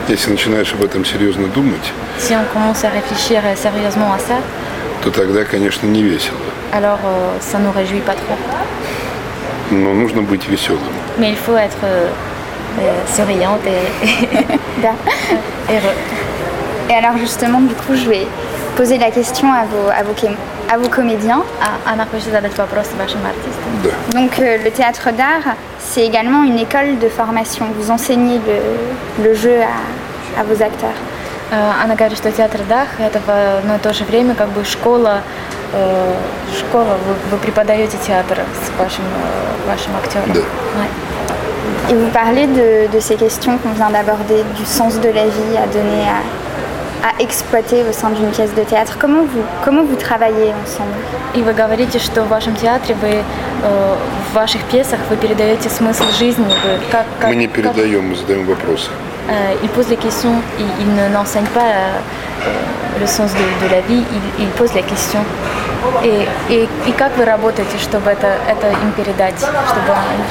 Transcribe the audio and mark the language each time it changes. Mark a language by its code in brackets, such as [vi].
[ru] Если начинаешь об этом серьезно думать, [fr] si on commence à réfléchir sérieusement à ça, [ru] то тогда, конечно, не весело. [fr] Alors, ça nous réjouit pas trop. [ru] Но нужно быть веселым. [fr] Mais il faut être souriante et heureux. Et alors justement, du coup, je vais poser la question à vos comédiens. Anna, je vais poser la question à vos comédiens. Donc, le théâtre d'art, c'est également une école de formation. Vous enseignez le jeu à vos acteurs. [ru] Anna говорит, что театр дах это в одно и то же время как бы школа. Вы преподаете театр с вашим актером. Да. [fr] Et vous parlez de ces questions qu'on vient d'aborder, du sens de la vie à donner à exploiter au sein d'une pièce de théâtre. Comment vous travaillez ensemble? [ru] И вы говорите, что в вашем театре вы в ваших пьесах вы передаете смысл жизни. Как мы не передаем, мы задаем вопросы. [fr] Il pose les questions. Il ne n'enseigne pas le sens de la vie. Il pose les questions. [ru] И как вы работаете, чтобы это им передать, чтобы они?